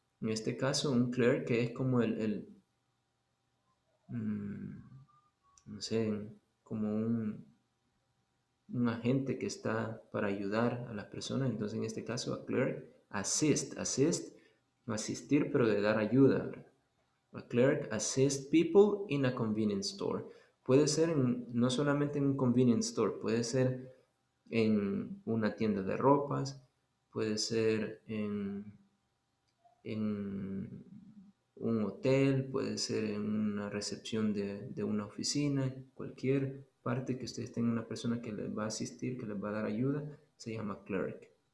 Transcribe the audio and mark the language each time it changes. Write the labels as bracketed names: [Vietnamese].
[Spanish] In este caso, un clerk que es como el no sé, como un agente que está para ayudar a las personas. Entonces, en este caso, [English] a clerk assist, [Spanish] asistir, pero de dar ayuda. [English] A clerk assist people in a convenience store. [Spanish] Puede ser no solamente en un convenience store, puede ser en una tienda de ropas, puede ser en un hotel, puede ser en una recepción de una oficina, cualquier parte que ustedes tengan una persona que les va a asistir, que les va a dar ayuda, se llama clerk.